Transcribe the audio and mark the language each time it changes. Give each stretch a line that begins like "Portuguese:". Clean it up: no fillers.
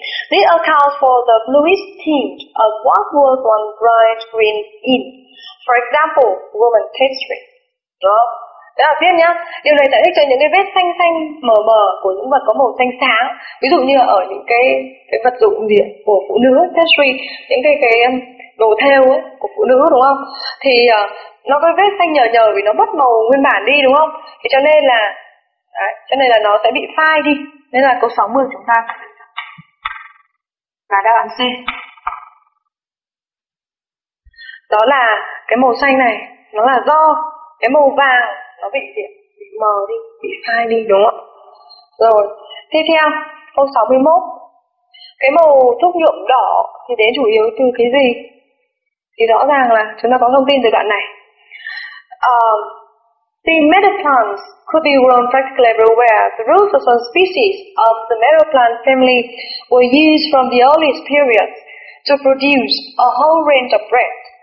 English: This accounts for the bluish tint of what was once bright green in. For example, Roman tapestry.
Vietnamese: Đó là tiếp nhá. Điều này giải thích cho những cái vết xanh xanh mờ mờ của những vật có màu xanh sáng. Ví dụ như là ở những cái vật dụng gì của phụ nữ, tapestry, những cái đồ thêu ấy của phụ nữ, đúng không? Thì nó có vết xanh nhờ nhờ vì nó mất màu nguyên bản đi, đúng không? Thì cho nên là đấy, cho nên là nó sẽ bị phai đi. Nên là câu 60 chúng ta là đáp án C. Đó là cái màu xanh này nó là do cái màu vàng nó bị mờ đi, bị phai đi, đúng không? Rồi, tiếp theo, câu 61. Cái màu thuốc nhuộm đỏ thì đến chủ yếu từ cái gì? Thì rõ ràng là chúng ta có thông tin từ đoạn này.
English: The meadow plants could be grown practically everywhere. The roots of some species of the meadow plant family were used from the earliest periods to produce a whole range of bread.